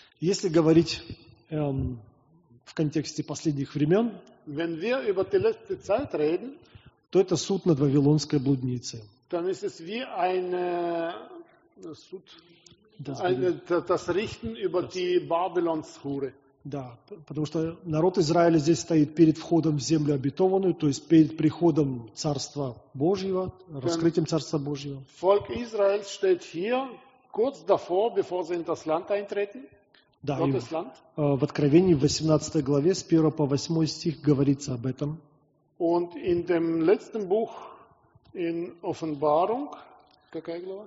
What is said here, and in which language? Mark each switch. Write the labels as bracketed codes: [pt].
[ru] Если говорить в контексте последних времен, [de] wenn wir über die letzte Zeit reden, [ru] то это суд над Вавилонской блудницей. [de] Dann ist es wie eine суд, das Richten über die Babylons Hure. [ru] Да, потому что народ Израиля здесь стоит перед входом в землю обетованную, то есть перед приходом Царства Божьего, раскрытием Царства Божьего. [de] Volk Israels steht hier kurz davor, bevor sie in das Land eintreten. [ru] Да, в Откровении в 18 главе с 1 по 8 стих говорится об этом. [de] Und in dem letzten Buch in Offenbarung, [ru] какая глава?